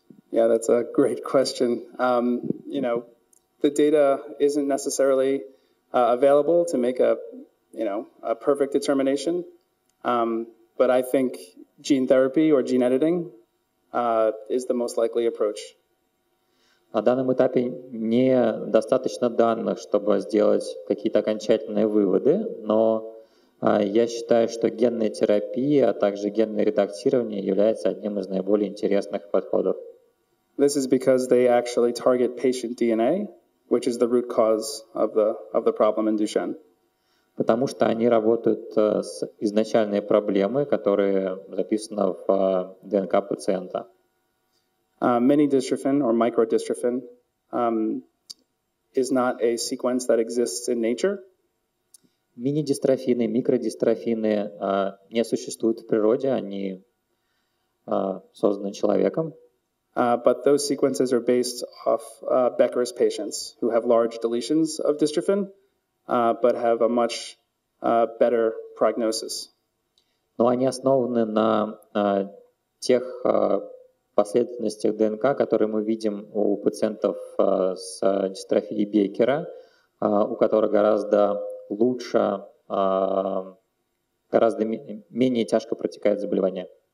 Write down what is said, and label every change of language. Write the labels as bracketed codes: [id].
[en] Yeah, that's a great question. You know, the data isn't necessarily available to make a perfect determination. But I think gene therapy or gene editing is the most likely approach. [ru] На данном этапе недостаточно данных, чтобы сделать какие-то окончательные выводы, но я считаю, что генная терапия, а также генное редактирование является одним из наиболее интересных подходов. [en] This is because they actually target patient DNA, which is the root cause of the problem in Duchenne. [ru] Потому что они работают с изначальной проблемой, которая записана в ДНК пациента. [en] Mini-dystrophin or micro-dystrophin is not a sequence that exists in nature. [ru] Мини-дистрофины, микродистрофины не существуют в природе, они созданы человеком. [en] But those sequences are based off Becker's patients who have large deletions of dystrophin, but have a much better prognosis. [ru] Но они основаны на тех последовательностях ДНК, которые мы видим у пациентов с дистрофией Беккера, у которых гораздо лучше, гораздо менее тяжко протекает заболевание.